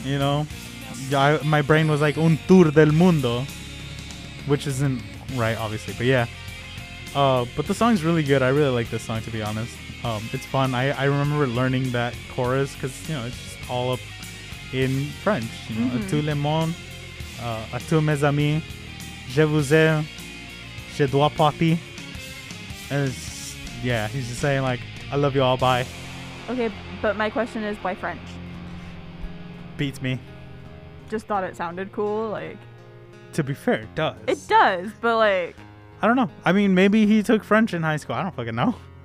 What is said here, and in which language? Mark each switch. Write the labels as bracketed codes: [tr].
[en] You know? My brain was, like, [es] un tour del mundo, [en] which isn't right, obviously. But, yeah. But the song's really good. I really like this song, to be honest. It's fun. I remember learning that chorus because, you know, it's just all up in French. You know, [fr] mm-hmm. A tout le monde, à tous mes amis, je vous aime, je dois partir. [en] And yeah, he's just saying, like, I love you all, bye. Okay, but my question is, why French? Beats me. Just thought it sounded cool, like... To be fair, it does. It does, but, like... I don't know. I mean, maybe he took French in high school. I don't fucking know.